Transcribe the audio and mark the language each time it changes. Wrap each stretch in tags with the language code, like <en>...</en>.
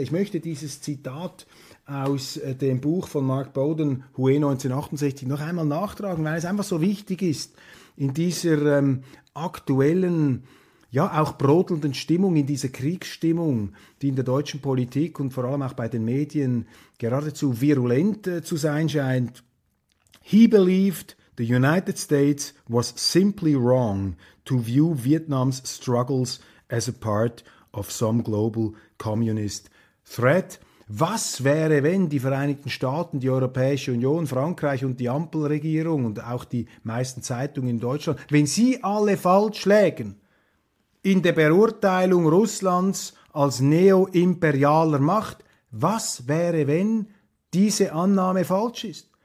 <de>Ich möchte dieses Zitat aus dem Buch von Mark Bowden, Hue 1968, noch einmal nachtragen, weil es einfach so wichtig ist, in dieser aktuellen, ja auch brodelnden Stimmung, in dieser Kriegsstimmung, die in der deutschen Politik und vor allem auch bei den Medien geradezu virulent zu sein scheint.</de> <en>He believed the United States was simply wrong to view Vietnam's struggles as a part of some global communist threat.</en> <de>Was wäre, wenn die Vereinigten Staaten, die Europäische Union, Frankreich und die Ampelregierung und auch die meisten Zeitungen in Deutschland, wenn sie alle falsch lägen in der Beurteilung Russlands als neoimperialer Macht? Was wäre, wenn diese Annahme falsch ist?</de>